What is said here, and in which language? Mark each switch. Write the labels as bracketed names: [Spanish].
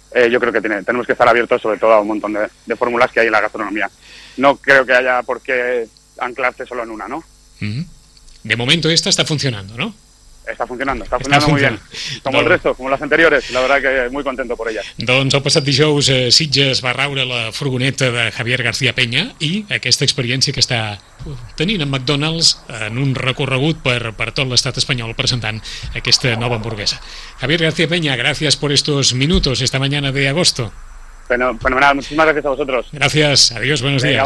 [Spanish] Yo creo que tenemos que estar abiertos sobre todo a un montón de fórmulas que hay en la gastronomía. No creo que haya por qué anclarse solo en una, ¿no? Mm-hmm. De momento esta está funcionando, ¿no? Está funcionando muy bien. Como el resto, como las anteriores, la verdad que muy contento por ellas. [Catalan] Doncs el passat dijous Sitges va raure la furgoneta de Javier García Peña i aquesta experiència que està tenint en McDonald's en un recorregut per tot l'estat espanyol presentant aquesta nova hamburguesa. [Spanish] Javier García Peña, gracias por estos minutos esta mañana de agosto. Bueno, nada, muchísimas gracias a vosotros. Gracias, adiós, buenos días.